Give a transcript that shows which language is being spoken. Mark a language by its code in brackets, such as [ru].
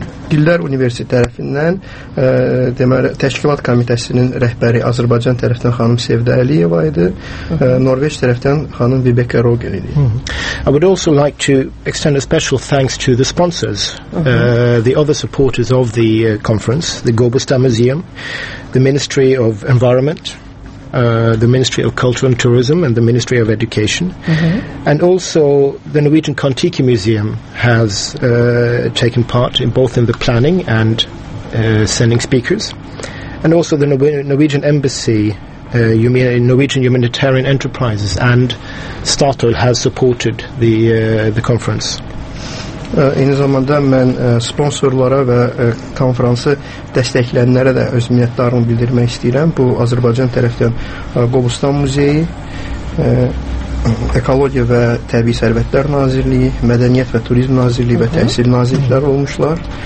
[az] Dillər Universiteti tərəfindən deməli təşkilat komitəsinin rəhbəri Azərbaycan tərəfindən xanım Sevda Əliyeva idi. Norveç tərəfindən xanım Vibeke Rogen idi. [en] I would also like to extend a special thanks to the sponsors, the other supporters of the conference, the Gobustan Museum, the Ministry of Environment, the Ministry of Culture and Tourism and the Ministry of Education. And also the Norwegian Kon-Tiki Museum has taken part in both in the planning and sending speakers. And also the Norwegian Embassy, Norwegian Humanitarian Enterprises and Statoil has supported the conference. [az] Eyni zamanda mən sponsorlara və konferansı dəstəkləyənlərə də öz minnətdarlığımı bildirmək istəyirəm. Bu, Azərbaycan tərəfdən Qobustan Muzeyi, Ekologiya və Təbii Sərvətlər Nazirliyi, Mədəniyyət və Turizm Nazirliyi və Təhsil Nazirlikləri olmuşlar.